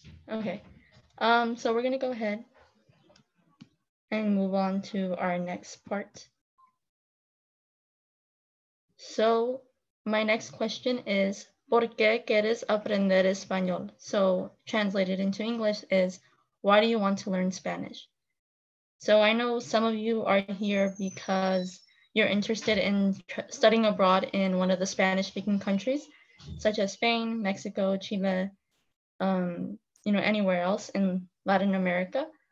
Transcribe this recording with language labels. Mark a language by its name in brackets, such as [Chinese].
[English] Okay, so we're gonna go ahead and move on to our next part. So my next question is, [Spanish] ¿por qué quieres aprender español? [English] So translated into English is, why do you want to learn Spanish? So I know some of you are here because you're interested in studying abroad in one of the Spanish speaking countries, such as Spain, Mexico, Chile, you know, anywhere else in Latin America.